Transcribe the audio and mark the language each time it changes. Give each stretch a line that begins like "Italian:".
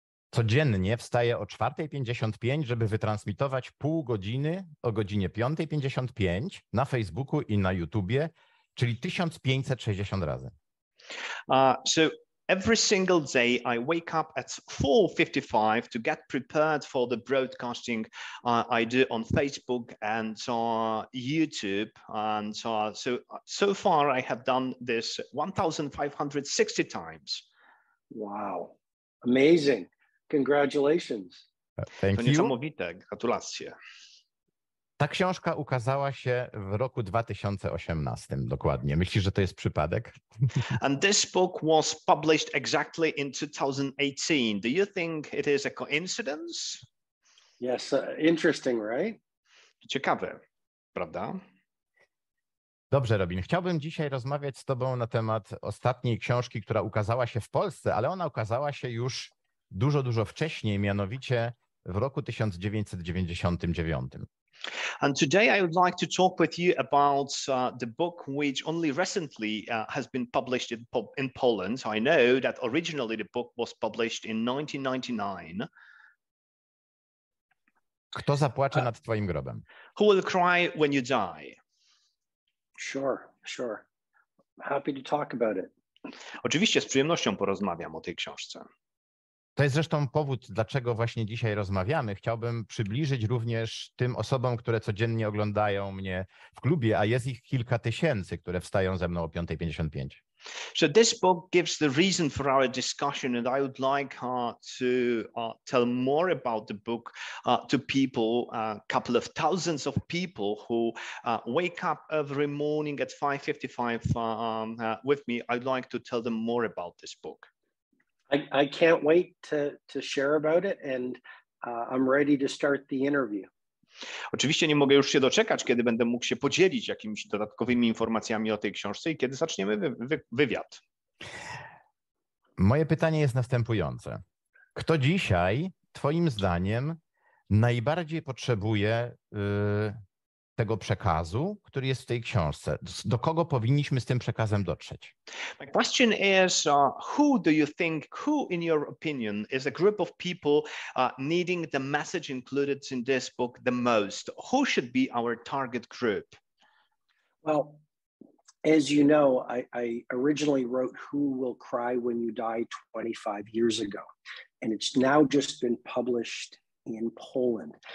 Polish: Codziennie wstaję o 4:55, żeby wytransmitować pół godziny o godzinie 5:55 na Facebooku i na YouTubie, czyli 1560 razy.
English: So every single day I wake up at 4:55 to get prepared for the broadcasting I do on Facebook and YouTube. And so far I have done this 1560 times. Wow, amazing. Congratulations. Thank you.
Polish: To niesamowite. Gratulacje. Ta książka ukazała się w roku 2018 dokładnie. Myślisz, że to jest przypadek?
English: And this book was published exactly in 2018. Do you think it is a coincidence? Yes, interesting, right?
Polish: Ciekawe, prawda? Dobrze, Robin. Chciałbym dzisiaj rozmawiać z tobą na temat ostatniej książki, która ukazała się w Polsce, ale ona ukazała się już dużo, dużo wcześniej, mianowicie w roku 1999.
English: And today I would like to talk with you about the book which only recently has been published in Poland. I know that originally the book was published in 1999.
Polish: Kto zapłacze nad twoim grobem?
English: Who will cry when you die? Sure. Happy to talk about it.
Polish: Oczywiście z przyjemnością porozmawiam o tej książce. To jest zresztą powód, dlaczego właśnie dzisiaj rozmawiamy. Chciałbym przybliżyć również tym osobom, które codziennie oglądają mnie w klubie, a jest ich kilka tysięcy, które wstają ze mną o 5:55.
English: So this book gives the reason for our discussion, and I would like to tell more about the book to people, a couple of thousands of people who wake up every morning at 5:55 with me. I'd like to tell them more about this book. I can't wait to share about it, and I'm ready to start the interview.
Polish: Oczywiście nie mogę już się doczekać, kiedy będę mógł się podzielić jakimiś dodatkowymi informacjami o tej książce i kiedy zaczniemy wywiad. Moje pytanie jest następujące. Kto dzisiaj, twoim zdaniem, najbardziej potrzebuje tego przekazu, który jest w tej książce? Do kogo powinniśmy z tym przekazem dotrzeć?
English: My question is, who in your opinion is a group of people needing the message included in this book the most? Who should be our target group? Well, as you know, I originally wrote Who Will Cry When You Die 25 years ago, and it's now just been published in Poland.